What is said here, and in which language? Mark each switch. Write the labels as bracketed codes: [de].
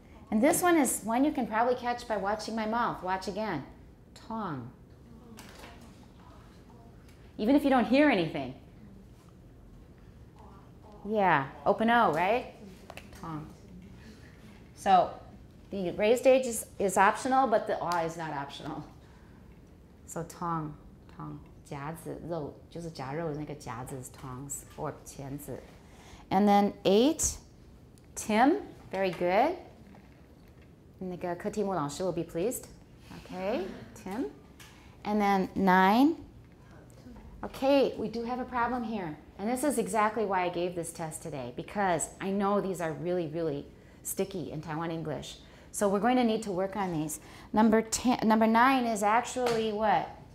[en] And this one is one you can probably catch by watching my mouth. Watch again. Tong. Even if you don't hear anything. Yeah. Open O, right? Tong. So the raised age is optional, but the aw is not optional. [zh] So tong, tong, 夹子, 肉,就是夹肉的那个夹子, tongs, or 钳子. [en] And then eight, Tim, very good. [zh] 那个柯提姆老师 [en] will be pleased. Okay, Tim. And then nine. Okay, we do have a problem here. And this is exactly why I gave this test today, because I know these are really, really sticky in Taiwan English. So we're going to need to work on these. Number nine is actually what?